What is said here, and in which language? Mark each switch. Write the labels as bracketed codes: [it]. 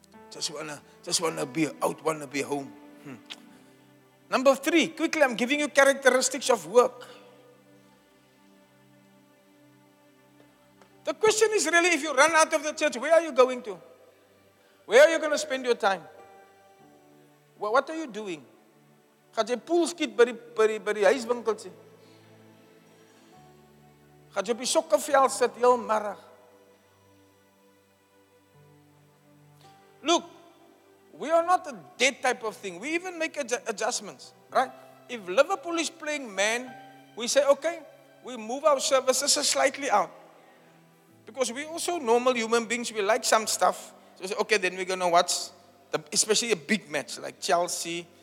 [en] Just wanna be out, wanna be home. Number three, quickly, I'm giving you characteristics of work. The question is really, if you run out of the church, where are you going to? Where are you going to spend your time? What are you doing? [af] Ga jy pool skiet by die huiswinkeltjie? Ga jy op die sokkerveld sit heel middag? [en] Look, we are not a dead type of thing. We even make adjustments, right? If Liverpool is playing man, we say, okay, we move our services slightly out. Because we also normal human beings, we like some stuff. So we say, okay, then we're going to watch, especially a big match like Chelsea.